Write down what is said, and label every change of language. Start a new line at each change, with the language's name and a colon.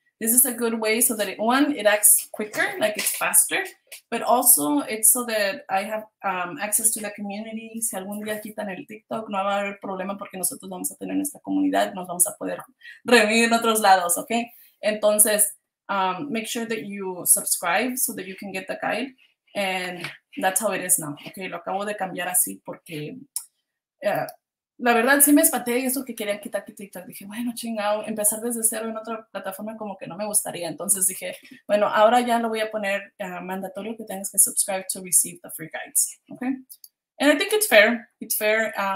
English: This is a good way so that it acts quicker, like it's faster, but also it's so that I have access to the community.
Spanish: Si algún día quitan el TikTok, no va a haber problema porque nosotros vamos a tener nuestra comunidad, nos vamos a poder reunir en otros lados, okay?
English: Entonces, make sure that you subscribe so that you can get the guide, and that's how it is now, okay?
Spanish: Lo acabo de cambiar así porque, la verdad, sí me espanté y eso que quería quitar TikTok. Dije, bueno, chingado, empezar desde cero en otra plataforma como que no me gustaría. Entonces dije, bueno, ahora ya lo voy a poner mandatorio que tengas que
English: subscribe to receive the free guides, okay? And I think it's fair. It's fair.